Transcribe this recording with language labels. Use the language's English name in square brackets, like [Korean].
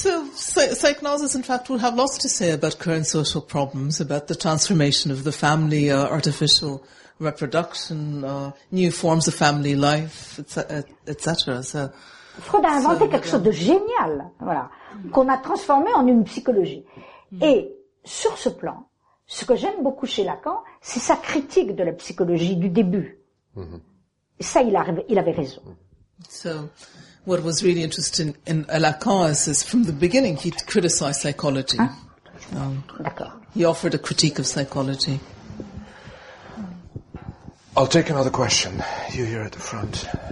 [English] So, psychoanalysis, in fact, will have lots to say about current social problems, about the transformation of the family, artificial reproduction, new forms of family life, etc. So, [French] Freud a inventé quelque chose de génial, voilà, qu'on a transformé en une psychologie. Et sur ce plan, ce que j'aime beaucoup chez Lacan, c'est sa critique de la psychologie du début. Ça, il avait raison. [English] So, what was really interesting in Lacan is from the beginning he criticized psychology. [French] D'accord. [English] He offered a critique of psychology. I'll take another question. You here at the front.